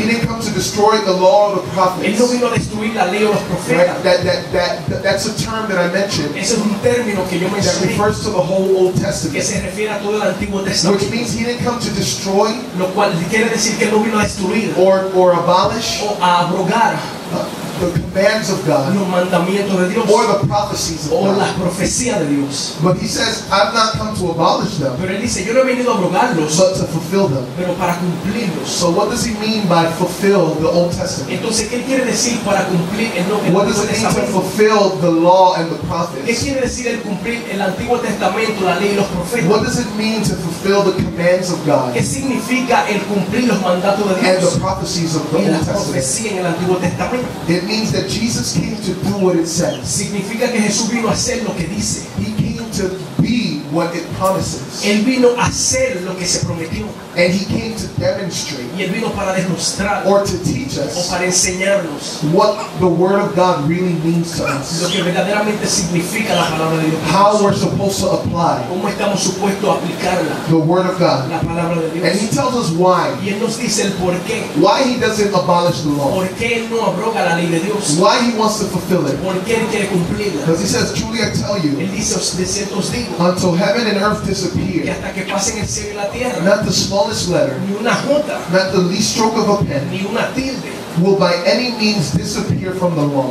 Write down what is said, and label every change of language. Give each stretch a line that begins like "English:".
English: He didn't come to destroy the law or the prophets.
Spanish: Él no vino a destruir la ley o los profetas.
English: Right? That's a term that I mentioned.
Spanish: Ese es un término que yo mencioné.
English: That refers to the whole Old Testament.
Spanish: Que se refiere a todo el Antiguo Testamento.
English: Which means he didn't come to destroy.
Spanish: Lo cual quiere decir que él no vino a destruir.
English: Or abolish.
Spanish: O a abrogar.
English: The commands of God,
Spanish: los mandamientos de Dios,
English: or the prophecies of God,
Spanish: o las profecías de Dios.
English: But he says, "I've not come to abolish them."
Spanish: Pero él dice, yo no he venido a abrogarlos,
English: but to fulfill them.
Spanish: Pero para cumplirlos.
English: So what does he mean by fulfill the Old Testament?
Spanish: Entonces, ¿qué quiere decir para cumplir el Nuevo Testamento?
English: What does it mean to fulfill the law and the prophets?
Spanish: ¿Qué quiere decir el cumplir el Antiguo Testamento, la ley y los profetas?
English: What does it mean to fulfill the commands of God?
Spanish: ¿Qué significa el cumplir los mandatos de Dios?
English: And the prophecies of the
Spanish: y
English: Old Testament.
Spanish: En el Antiguo Testamento.
English: It means that Jesus came to do what it says.
Spanish: Significa que Jesús vino a hacer lo que dice.
English: He came to be what it promises.
Spanish: Él vino a hacer lo que se prometió.
English: And he came to demonstrate.
Spanish: Y él vino para demostrar.
English: Or to teach us.
Spanish: O para enseñarnos.
English: What the word of God really means to us.
Spanish: Lo que verdaderamente significa la palabra de Dios.
English: How we're supposed to apply.
Spanish: Cómo estamos supuestos a aplicarla.
English: The word of God.
Spanish: La palabra de Dios.
English: And he tells us why.
Spanish: Y él nos dice el por qué.
English: Why he doesn't abolish the law.
Spanish: Por qué él no abroga la ley de Dios.
English: Why he wants to fulfill it.
Spanish: Por qué él quiere cumplirla.
English: Because he says, truly I tell you.
Spanish: Él dice, de cierto os digo.
English: Until heaven and earth disappear.
Spanish: Y hasta que pasen el cielo y la tierra.
English: Not the smallest letter.
Spanish: Ni una jota.
English: Not the least stroke of a pen.
Spanish: Ni una tilde.
English: Will by any means disappear from the law.